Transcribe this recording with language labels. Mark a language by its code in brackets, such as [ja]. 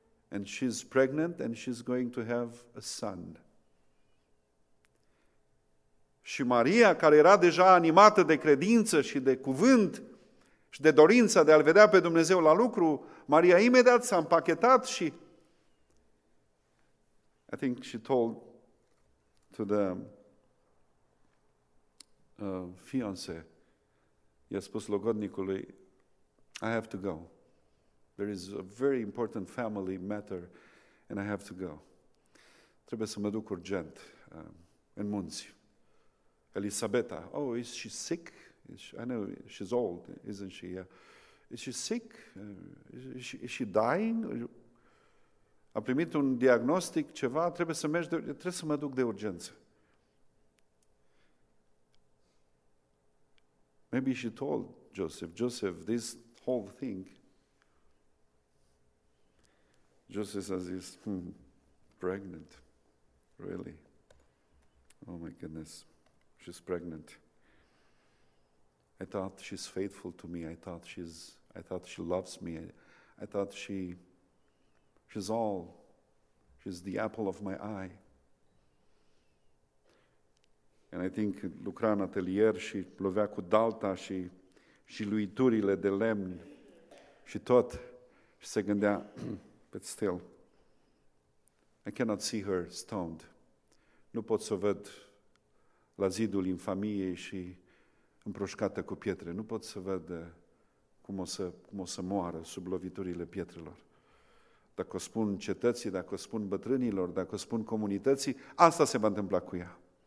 [en] And she's pregnant and she's going to have a son. [ro] Și Maria, care era deja animată de credință și de cuvânt și de dorința de a-L vedea pe Dumnezeu la lucru, Maria imediat s-a împachetat și [en] I think she told to the fiancé, [ro] I-a spus logodnicului, [en] I have to go. There is a very important family matter and I have to go. [ro] Trebuie să mă duc urgent în munți. [en] Elisabeta, oh, is she sick? I know she's old, isn't she? Is she sick? Is she dying? [ro] A primit un diagnostic, ceva, trebuie să mă duc de urgență. [en] Maybe she told Joseph, this whole thing. Joseph says, pregnant, really? Oh my goodness, she's pregnant. I thought she's faithful to me. I thought she loves me. I thought she's all. She's the apple of my eye. And I think [ro] lucra în atelier și lovea cu dalta și luiturile de lemn și tot. Și se gândea, [en] but still, I cannot see her stoned. [ro] Nu pot să o văd la zidul infamiei și împroșcată cu pietre. Nu pot să văd cum o să moară sub loviturile pietrelor. Dacă o spun cetății, dacă o spun bătrânilor, dacă o spun comunității, asta se va întâmpla cu ea.